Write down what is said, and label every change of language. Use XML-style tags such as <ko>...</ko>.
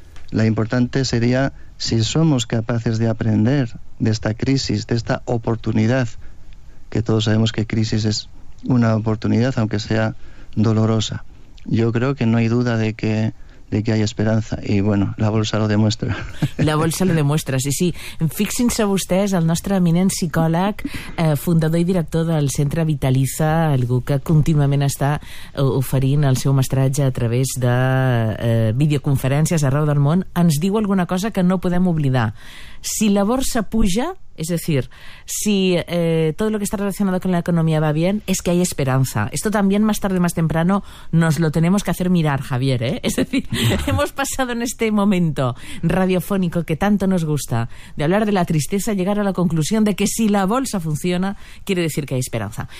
<es>La importante sería si somos capaces de aprender de esta crisis, de esta oportunidad, que todos sabemos que crisis es una oportunidad, aunque sea dolorosa. Yo creo que no hay duda de que hay esperanza, y bueno, la bolsa lo demuestra, sí.</es> <ca>Fixin-se vostès, el nostre eminent psicòleg, fundador i director del Centre Vitalitza, algú que contínuament està oferint el seu mestratge a través de videoconferències arreu del món, ens diu alguna cosa que no podem oblidar. Si la borsa puja,</ca> <es>es decir, si todo lo que está relacionado con la economía va bien, es que hay esperanza. Esto también, más tarde, más temprano, nos lo tenemos que hacer mirar, Javier, ¿eh? Es decir, hemos pasado en este momento radiofónico que tanto nos gusta, de hablar de la tristeza, llegar a la conclusión de que si la bolsa funciona, quiere decir que hay esperanza.</es>